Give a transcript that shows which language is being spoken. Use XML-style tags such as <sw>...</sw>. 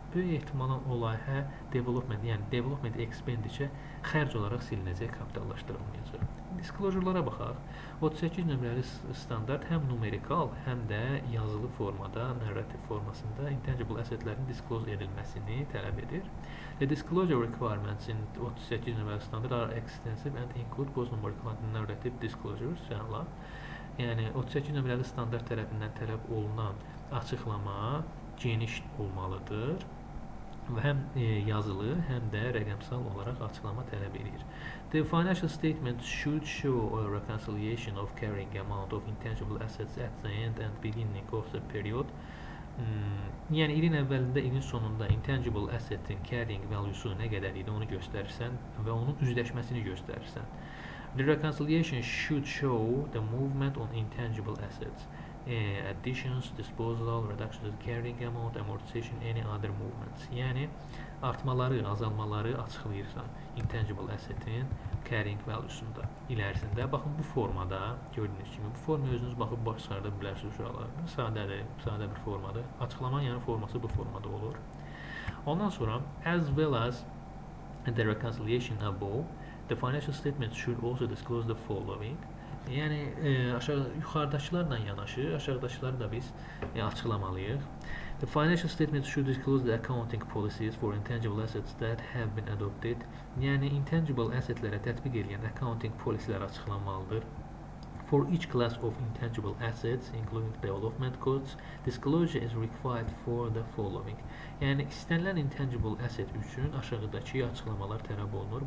<az>Böyük ehtimalla o layihə development, yəni development expenditure xərc olaraq silinəcək, kapitallaşdırılmayacaq. Disclosure-lara baxaq. 38 nömrəli standart həm numerikal, həm də yazılı formada, narrative formasında intangible assetlərin disclose edilməsini tələb edir.</az> <en>The disclosure requirements in</en> <az>38 nömrəli standart</az> <en>are extensive and include both numerical and narrative disclosures.</en> <az>Yəni, 38 nömrəli standart tərəfindən tələb olunan açıqlama geniş olmalıdır. Və həm yazılı, həm də rəqəmsal olaraq açıqlama tələb edir.</az> <en>The financial statement should show a reconciliation of carrying amount of intangible assets at the end and beginning of the period.</en> <az>Yəni, ilin əvvəlində, ilin sonunda intangible assetin carrying value-su nə qədər idi onu göstərirsən və onun üzləşməsini göstərirsən.</az> <en>The reconciliation should show the movement on intangible assets. Additions, disposal, reductions, carrying amount, amortization, any other movements.</en> <az>Yəni, artmaları, azalmaları açıqlayırsan intangible asset-in carrying value-sunda ilərisində. Baxın, bu formada, gördüyünüz kimi, bu formaya özünüz baxıb baş çıxarda bilərsiniz uşaqlar. Sadədir, sadə bir formadır. Açıqlamanın yəni forması bu formada olur. Ondan sonra,</az> <en>as well as the reconciliation above, the financial statement should also disclose the following.</en> <az>Yəni, yuxarıdakılarla yanaşı, aşağıdakıları da biz açıqlamalıyıq.</az> <en>The financial statement should disclose the accounting policies for intangible assets that have been adopted.</en> <az>Yəni, intangible assetlərə tətbiq edilən accounting policies açıqlanmalıdır.</az> <en>For each class of intangible assets, including development costs, disclosure is required for the following.</en> <az>Yəni, istənilən intangible asset üçün aşağıdakı açıqlamalar tələb olunur.</az>